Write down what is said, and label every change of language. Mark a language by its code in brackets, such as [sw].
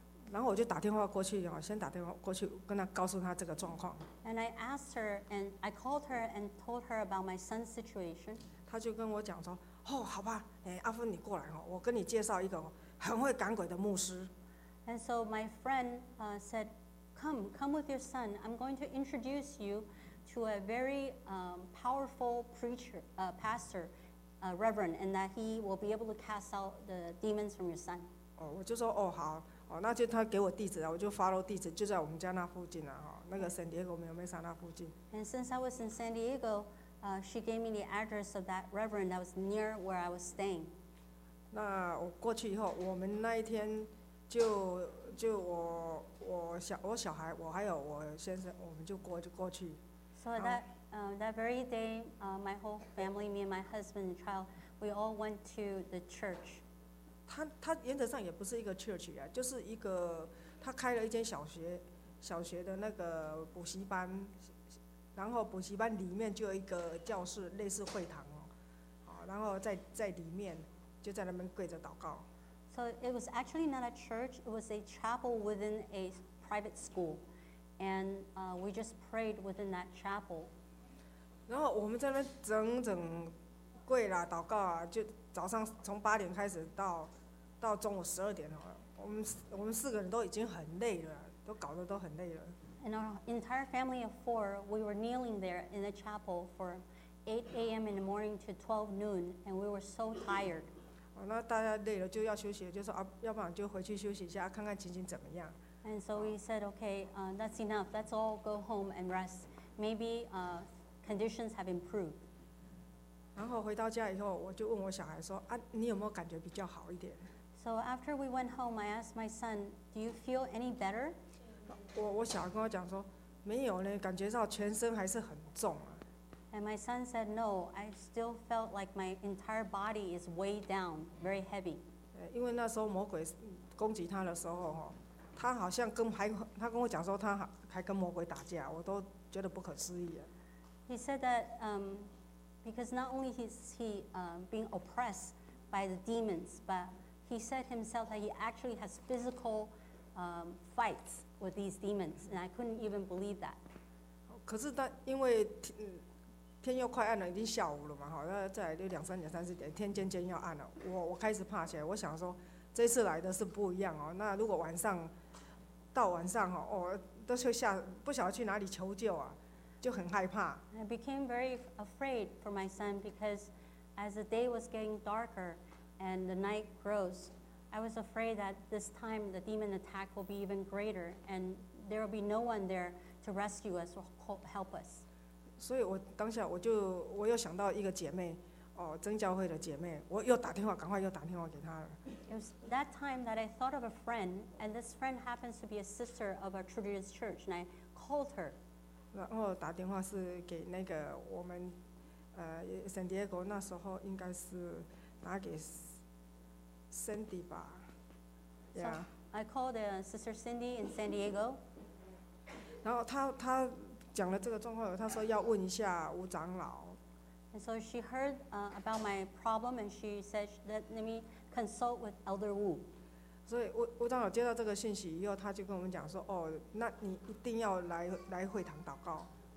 [zh] 然后我就打电话过去，先打电话过去，跟她告诉她这个状况。 [en] And I asked her, and I called her and told her about my son's situation. [zh] 她就跟我讲说，哦，好吧，哎，阿芬你过来，我跟你介绍一个很会赶鬼的牧师。 [en] And so my friend said, come with your son. I'm going to introduce you to a very powerful preacher, pastor, reverend, and that he will be able to cast out the demons from your son. [zh] Oh, 我就说哦好哦，那就他给我地址，我就 follow 地址，就在我们家那附近啊，哈，那个 San Diego 没有没啥那附近。 [en] And since I was in San Diego, she gave me the address of that reverend that was near where I was staying. [zh] 那我过去以后，我们那一天。就我小孩我还有我先生我们就过去 [en] so that that very day my whole family me and my husband and child we all went to the church [zh] 他原则上也不是一个 church 啊，就是一个他开了一间小学的那个补习班，然后补习班里面就有一个教室类似会堂哦，然后在里面就在那边跪着祷告。 [en] So it was actually not a church, it was a chapel within a private school. And we just prayed within that chapel. [zh] 然后我们在那边整整跪啦祷告啊，就早上从8点开始到中午12点了。我们四个人都已经很累了，都搞得都很累了。 [en] And our entire family of four, we were kneeling there in the chapel for 8 a.m. in the morning to 12 noon, and we were so tired. [zh] 那大家累了就要休息，就说啊，要不然就回去休息一下，看看情形怎么样。 [en] And so we said, okay, that's enough. Let's all go home and rest. Maybe conditions have improved. [zh] 然后回到家以后，我就问我小孩说啊，你有没有感觉比较好一点 [en] ？So after we went home, I asked my son, do you feel any better? [zh] 我小孩跟我讲说，没有呢，感觉到全身还是很重啊。 [en] And my son said, no, I still felt like my entire body is weighed down, very heavy. [zh] 因为那时候魔鬼攻击他的时候，他好像他跟我讲说他还跟魔鬼打架，我都觉得不可思议。 [en] He said that because not only is he being oppressed by the demons, but he said himself that he actually has physical fights with these demons, and I couldn't even believe that. [zh] 可是他因为天又快暗了，已经下午了嘛，哈，再来就两三点、三四点，天渐渐要暗了。我开始怕起来，我想说这次来的是不一样哦。那如果晚上到晚上哦，都是吓，不晓得去哪里求救啊，就很害怕。 [en] I became very afraid for my son because as the day was getting darker and the night grows, I was afraid that this time the demon attack will be even greater and there will be no one there to rescue us or help us. [zh] 所以我当下我又想到一个姐妹，哦，真教会的姐妹，我又打电话，赶快又打电话给她了。 [en] It was that time that I thought of a friend, and this friend happens to be a sister of our Trinity Church, and I called her. [zh] 然后打电话是给那个我们，San Diego 那时候应该是打给 Cindy 吧 ，Yeah. [en] So I called the sister Cindy in San Diego. [zh] 然后她讲了这个状况，她说要问一下吴长老。 [en] And so she heard about my problem, and she said, "Let me consult with Elder Wu." [zh] 所以吴长老接到这个信息以后，他就跟我们讲说，哦，那你一定要来会堂祷告。